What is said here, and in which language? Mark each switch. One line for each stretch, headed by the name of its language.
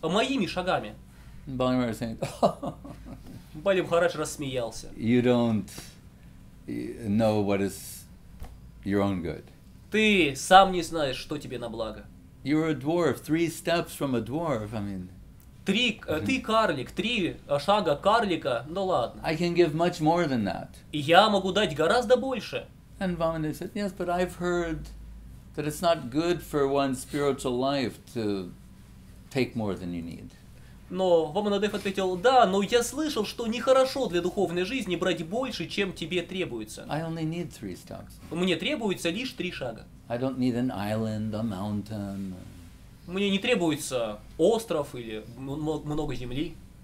Russian: Моими шагами.
English: Бали Махарадж said,
Russian: Бали Махарадж рассмеялся.
English: You don't know what is your own good.
Russian: Ты сам не знаешь, что тебе на благо.
English: You're a dwarf, three steps from a dwarf, I mean.
Russian: Ты карлик, три шага карлика, ну ладно.
English: I can give much more than that.
Russian: Я могу дать гораздо больше.
English: And Vamanadev said, yes, but I've heard that it's not good for one's spiritual life to take more than you need.
Russian: Но Ваманадев ответил, да, но я слышал, что нехорошо для духовной жизни брать больше, чем тебе требуется.
English: I only need three steps.
Russian: Мне требуется лишь три шага.
English: I don't need an island, a mountain.
Russian: Мне не требуется остров или много земли.